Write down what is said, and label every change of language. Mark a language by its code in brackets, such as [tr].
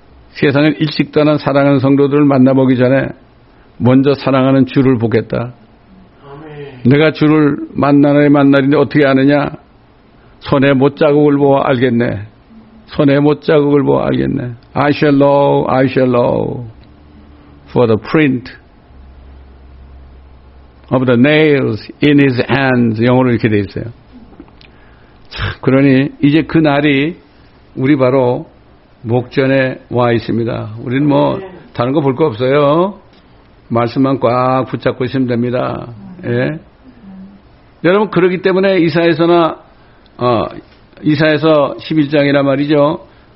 [ko] 세상을 일찍 떠난 사랑하는 성도들을 만나보기 전에 먼저 사랑하는 주를 보겠다. 내가 주를 만나느냐 만나리니 어떻게 아느냐. 손에 못 자국을 보아 알겠네. 손에 못 자국을 보아 알겠네. [en] I shall know, I shall know for the print of the nails in his hands. [ko] 영어로 이렇게 되어 있어요. 참 그러니 이제 그 날이 우리 바로 목전에 와 있습니다. 우리는 뭐 다른 거 볼 거 없어요. 말씀만 꽉 붙잡고 있으면 됩니다. 예. 여러분 그러기 때문에 이사야서나 이사야서 11장이란 말이죠.